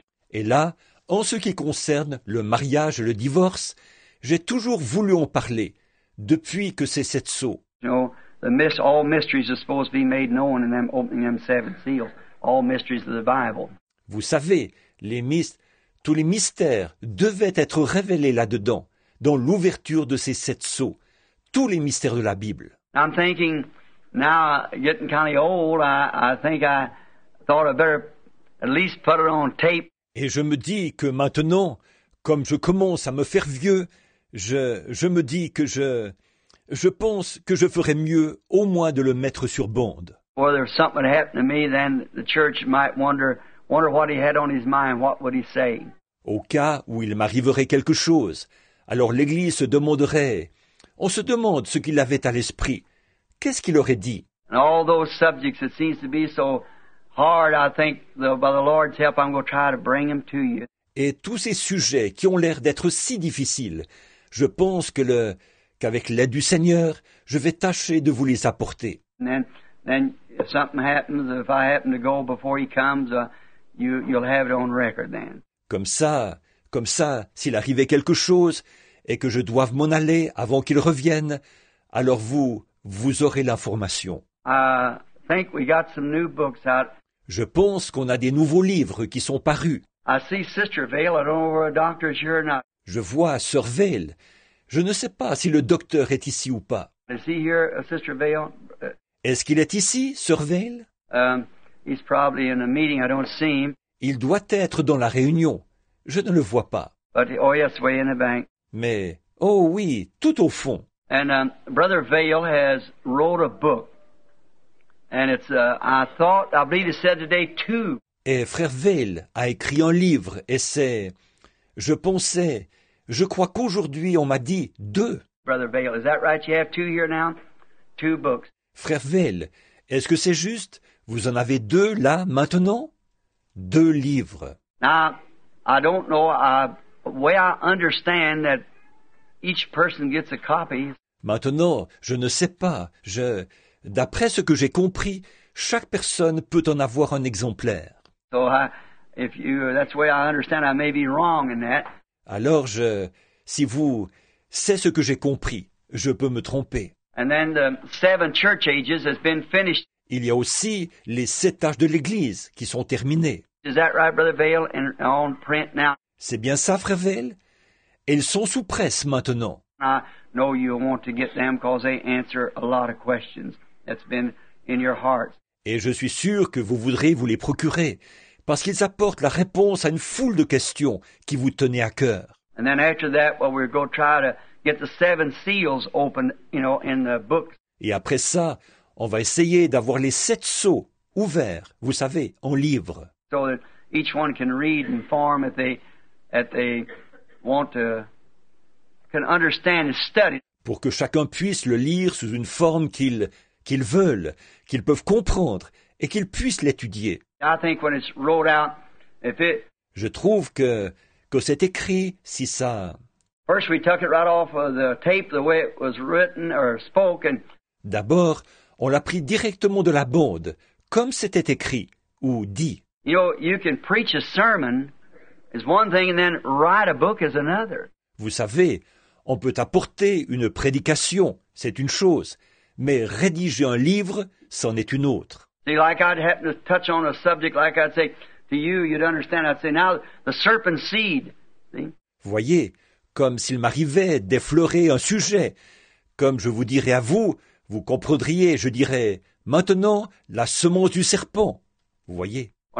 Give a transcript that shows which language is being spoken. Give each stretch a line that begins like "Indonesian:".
French: Et là, en ce qui concerne le mariage et le divorce, j'ai toujours voulu en parler, depuis que ces sept sceaux.
English: You know, all mysteries are supposed to be made known in them opening them seven seals, all mysteries of the Bible.
French: Vous savez, tous les mystères devaient être révélés là-dedans, dans l'ouverture de ces sept sceaux, tous les mystères de la Bible.
English: I'm thinking, now getting kind of old, I think I thought I better at least put it on tape.
French: Et je me dis que maintenant, comme je commence à me faire vieux, je me dis que je, je pense que je ferais mieux au moins de le mettre sur bande.
English: Or there's something that happened to me, then the church might wonder what he had on his mind, what would he say?
French: Au cas où il m'arriverait quelque chose, alors l'Église se demanderait, on se demande ce qu'il avait à l'esprit, qu'est-ce qu'il aurait dit?
English: And all those subjects that seems to be so hard, I think, by the Lord's help, I'm going to try to bring them to you.
French: Et tous ces sujets qui ont l'air d'être si difficiles, je pense que qu'avec l'aide du Seigneur, je vais tâcher de vous les apporter.
English: And then if something happens, if I happen to go before he comes, you'll have it on record then.
French: Comme ça, s'il arrivait quelque chose et que je doive m'en aller avant qu'il revienne, alors vous aurez l'information.
English: Think we got some new books out.
French: Je pense qu'on a des nouveaux livres qui sont parus.
English: I see Sister Vail, I don't know where a doctor is here or not.
French: Je vois Sœur Vail. Je ne sais pas si le docteur est ici ou pas.
English: Is he here, Sister Vail?
French: Est-ce qu'il est ici, Sœur Vail?
English: He's probably in a meeting, I don't see him.
French: Il doit être dans la réunion. Je ne le vois pas.
English: But, oh yes, way in the bank.
French: Mais, oh oui, tout au fond.
English: And Brother Vail has wrote a book. And it's, I believe he said today, two.
French: Et Frère Vail a écrit un livre, et c'est, je crois qu'aujourd'hui on m'a dit deux.
English: Brother Vail, is that right? You have two here now? Two books.
French: Frère Vail, est-ce que c'est juste? Vous en avez deux là, maintenant? Deux livres.
English: Now, I don't know, way I understand that each person gets a copy.
French: Maintenant, je ne sais pas, d'après ce que j'ai compris, chaque personne peut en avoir un exemplaire.
English: So that's the way I understand, I may be wrong in that.
French: Alors c'est ce que j'ai compris, je peux me tromper.
English: And then the seven church ages has been finished.
French: Il y a aussi les sept âges de l'Église qui sont terminés.
English: Is that right, Brother Vail, and on print now?
French: C'est bien ça, Frère Vail? Ils sont sous presse maintenant.
English: I know you want to get them because they answer a lot of questions that's been in your heart.
French: Et je suis sûr que vous voudrez vous les procurer parce qu'ils apportent la réponse à une foule de questions qui vous tenaient à cœur.
English: And then after that, well, we're going to try to get the seven seals open, you know, in the books.
French: Et après ça, on va essayer d'avoir les sept sceaux ouverts, vous savez, en livre.
English: So that each one can read and form if they want to, can understand and study.
French: Pour que chacun puisse le lire sous une forme qu'ils veulent, qu'ils peuvent comprendre et qu'ils puissent l'étudier.
English: I think when it's wrote out, if it.
French: Je trouve que c'est écrit si ça.
English: First, we took it right off of the tape the way it was written or spoken.
French: D'abord, on l'a pris directement de la bande, comme c'était écrit ou dit.
English: You know, you can preach a sermon is one thing, and then write a book is another.
French: Vous savez, on peut apporter une prédication, c'est une chose, mais rédiger un livre, c'en est une autre.
English: See, like I'd happen to touch on a subject, like I'd say to you, you'd understand. I'd say now the serpent seed. See?
French: Voyez, comme s'il m'arrivait d'effleurer un sujet, comme je vous dirais à vous. Vous comprendriez, je dirais, maintenant, la semence du serpent. Vous voyez?